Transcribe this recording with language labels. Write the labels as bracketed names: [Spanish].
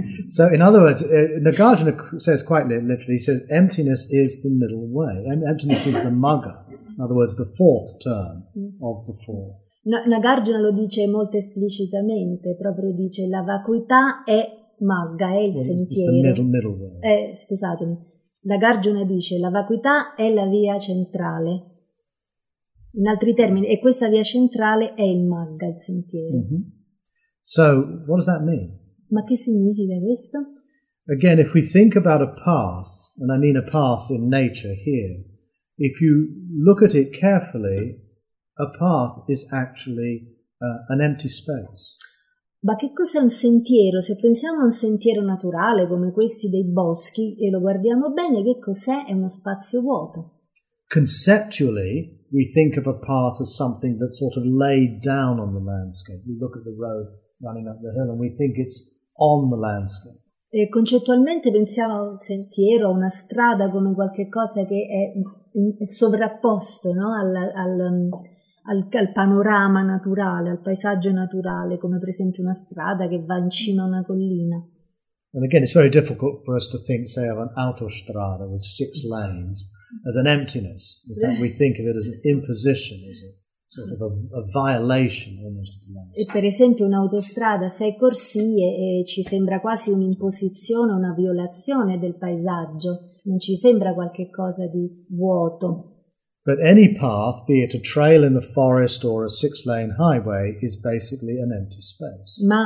[English] So in other words, Nagarjuna says quite literally, he says emptiness is the middle way, and emptiness is the magga, in other words the fourth term of the four. [Italian] Nagarjuna lo dice molto esplicitamente, proprio dice la vacuità è magga, è il sentiero. [English] It's the middle way. [Italian] Scusatemi, Nagarjuna dice la vacuità è la via centrale. In altri termini, e questa via centrale è il magga, il sentiero. [English] Mm-hmm. So, what does that mean? [Italian] Ma che significa questo? [English] Again, if we think about a path, and I mean a path in nature here, if you look at it carefully, a path is actually an empty space. [Italian] Ma che cos'è un sentiero? Se pensiamo a un sentiero naturale come questi dei boschi e lo guardiamo bene, che cos'è? È uno spazio vuoto. [English] Conceptually, we think of a path as something that's sort of laid down on the landscape. We look at the road running up the hill and we think it's on the landscape. [Italian] E concettualmente pensiamo a un sentiero, a una strada come qualche cosa che è sovrapposto, no? Al panorama naturale, al paesaggio naturale, come per esempio una strada che va in cima a una collina. [English] And again, it's very difficult for us to think, say, of an autostrada with six lanes as an emptiness. We think of it as an imposition, as a sort of a violation almost of the landscape. [Italian] E per esempio un'autostrada a sei corsie ci sembra quasi un'imposizione, una violazione del paesaggio. Non ci sembra qualche cosa di vuoto. [English] But any path, be it a trail in the forest or a six-lane highway, is basically an empty space.